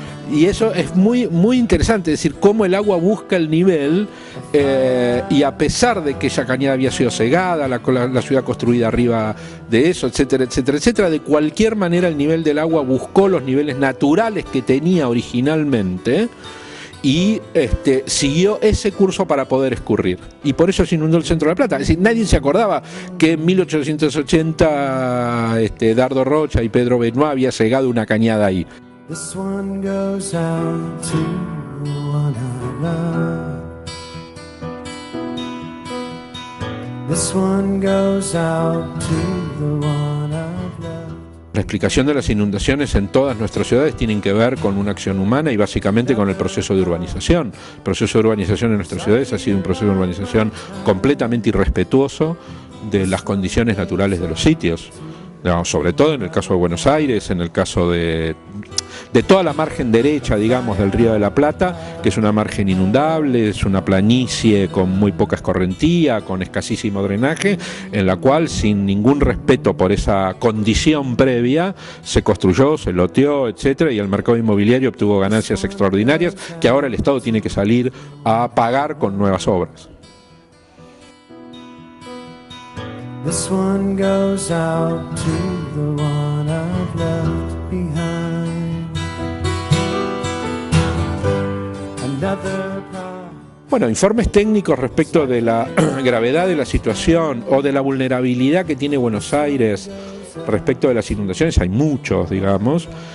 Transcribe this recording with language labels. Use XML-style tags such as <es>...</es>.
<es>Y eso es muy, muy interesante, es decir, cómo el agua busca el nivel, y a pesar de que esa cañada había sido cegada, la ciudad construida arriba de eso, etcétera, etcétera, etcétera, de cualquier manera el nivel del agua buscó los niveles naturales que tenía originalmente y siguió ese curso para poder escurrir. Y por eso se inundó el centro de La Plata. Es decir, nadie se acordaba que en 1880 Dardo Rocha y Pedro Benoit había cegado una cañada ahí.</es> <en>This one goes out to the one I love. This one goes out to the one I love.</en> <es>La explicación de las inundaciones en todas nuestras ciudades tienen que ver con una acción humana y básicamente con el proceso de urbanización. El proceso de urbanización en nuestras ciudades ha sido un proceso de urbanización completamente irrespetuoso de las condiciones naturales de los sitios. No, sobre todo en el caso de Buenos Aires, en el caso de toda la margen derecha, digamos, del Río de la Plata, que es una margen inundable, es una planicie con muy poca escorrentía, con escasísimo drenaje, en la cual, sin ningún respeto por esa condición previa, se construyó, se loteó, etcétera, y el mercado inmobiliario obtuvo ganancias extraordinarias que ahora el Estado tiene que salir a pagar con nuevas obras.</es> <en>This one goes out to the one I've left behind. Another.</en> <es>Bueno, informes técnicos respecto de la gravedad de la situación o de la vulnerabilidad que tiene Buenos Aires respecto de las inundaciones, hay muchos, digamos.</es>